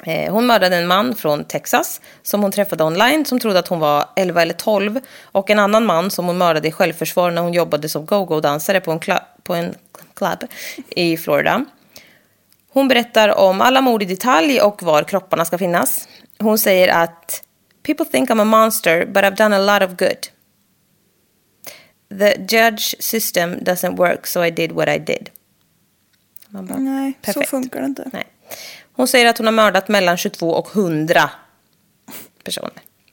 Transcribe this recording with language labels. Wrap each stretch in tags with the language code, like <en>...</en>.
<sv>Hon mördade en man från Texas som hon träffade online som trodde att hon var 11 eller 12 och en annan man som hon mördade i självförsvar när hon jobbade som go-go-dansare på en club i Florida. Hon berättar om alla mord i detalj och var kropparna ska finnas. Hon säger att</sv> <en>"People think I'm a monster, but I've done a lot of good. The judge system doesn't work, so I did what I did."</en> <sv>Man bara, nej, perfekt. Så funkar det inte. Nej. Hon säger att hon har mördat mellan 22 och 100 personer.</sv>